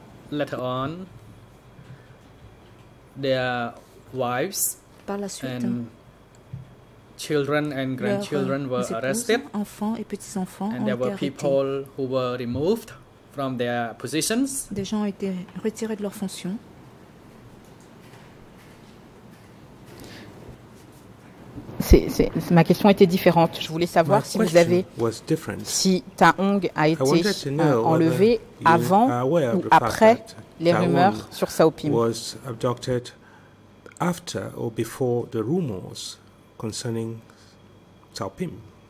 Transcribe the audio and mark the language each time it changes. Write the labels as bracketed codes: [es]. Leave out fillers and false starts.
[en] Later on, their wives and children and grandchildren were arrested, [fr] enfants et petits-enfants [en] and there were people who were removed from their positions. [fr] Des gens ont été retirés de leurs fonctions. Ma question était différente. Je voulais savoir si vous avez, si Ta Hong a été enlevé avant ou après les rumeurs sur Sao Pim. [en] Was abducted after or before the rumors concerning Sao Pim.